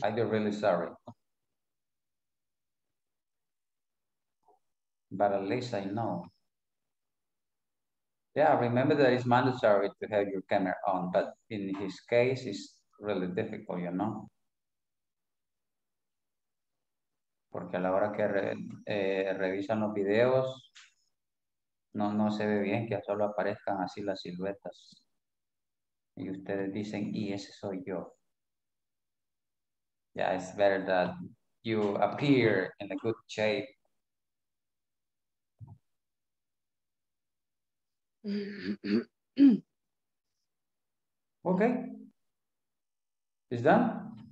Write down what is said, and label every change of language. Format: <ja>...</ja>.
<en>I'm really sorry. But at least I know. Yeah, remember that it's mandatory to have your camera on, but in his case, it's really difficult, you know?</en> <es>Porque a la hora que revisan los videos, no se ve bien que solo aparezcan así las siluetas. Y ustedes dicen, y ese soy yo.</es> <en>Yeah, it's better that you appear in a good shape. Okay. Is that?</en>